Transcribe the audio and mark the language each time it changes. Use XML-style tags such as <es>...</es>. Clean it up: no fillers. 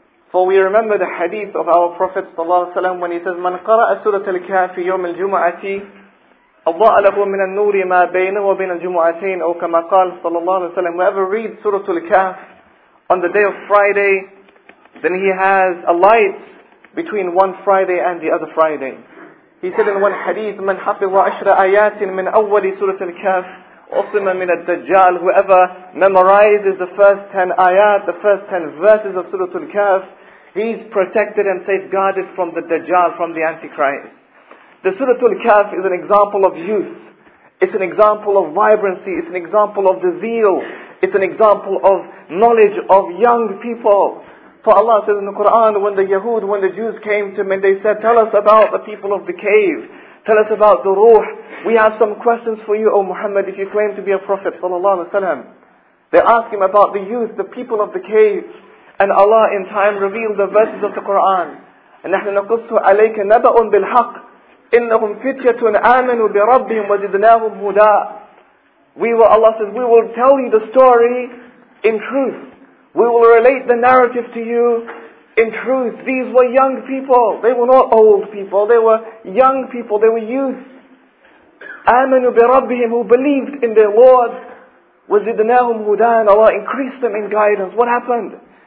<en>For we remember the hadith of our Prophet sallallahu alaihi wasallam when he says,</en> <ar>"Man qara'a Surah Al-Kahf yawm al-jum'ati Allah له من النور ما بينه وبين الجمعتين,"</ar> <en>or</en> <ar>كما قال صلى الله عليه وسلم,</ar> <en>whoever reads Surah Al-Kahf on the day of Friday, then he has a light between one Friday and the other Friday. He said in one hadith,</en> <ar>"من حفظ عشر آيات من أول سورة الكهف أصم من الدجال."</ar> <en>Whoever memorizes the first 10 ayat, the first 10 verses of Surah Al-Kahf, he's protected and safeguarded from the Dajjal, from the Antichrist. The Surah Al-Kahf is an example of youth. It's an example of vibrancy. It's an example of the zeal. It's an example of knowledge of young people. For Allah says in the Quran, when the Yahud, when the Jews came to him and they said, "Tell us about the people of the cave. Tell us about the ruh. We have some questions for you, O Muhammad, if you claim to be a prophet," sallallahu alaihi wasallam. They ask him about the youth, the people of the cave. And Allah in time revealed the verses of the Quran.</en> <ar>نحن نقصه عليك نبأ بالحق إنهم فتية آمنوا بربهم وزدناهم هدى.</ar> <en>We will, Allah says, we will tell you the story in truth. We will relate the narrative to you in truth. These were young people. They were not old people. They were young people. They were youth.</en> <ar>آمنوا بربهم,</ar> <en>who believed in their Lord.</en> <ar>وزدناهم هدى,</ar> <en>and Allah increased them in guidance. What happened?</en>